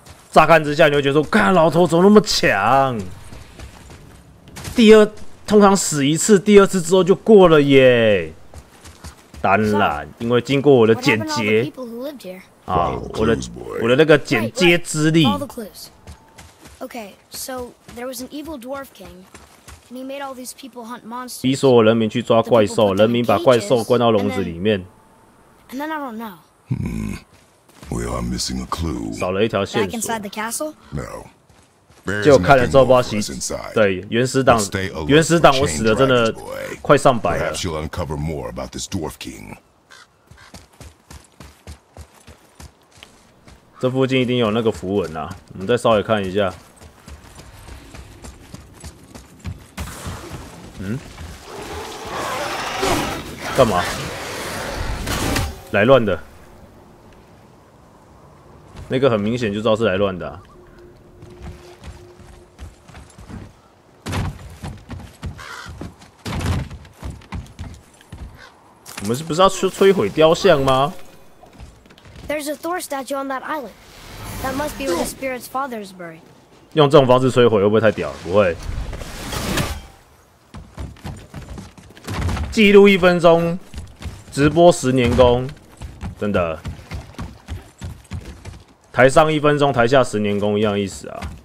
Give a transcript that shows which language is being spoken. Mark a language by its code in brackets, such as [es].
[zh] 乍看之下，你会觉得说，看老头怎么那么强？第二，通常死一次，第二次之后就过了耶。当然，因为经过我的剪接啊，我的那个剪接之力。 [en] Okay, so there was an evil dwarf king, and he made all these people hunt monsters. [zh] 逼所有人民去抓怪兽，人民把怪兽关到笼子里面。 [en] And then I don't know. We are missing a clue. [zh] 少了一条线索。 [en] Back inside the castle? No. [zh] 就看了周包奇，对原始档，原始档我死的真的快上百了。 [en] Perhaps you'll uncover more about this dwarf king. [zh] 这附近一定有那个符文啊，我们再稍微看一下。嗯，干嘛？来乱的，那个很明显就知道是来乱的、啊。我们是不是要摧毁雕像吗 [en] ？There's a Thor statue on that island. That must be where the spirit's father is buried. [zh] 用这种方式摧毁会不会太屌？不会。记录一分钟，直播十年功，真的。台上一分钟，台下十年功，一样意思啊。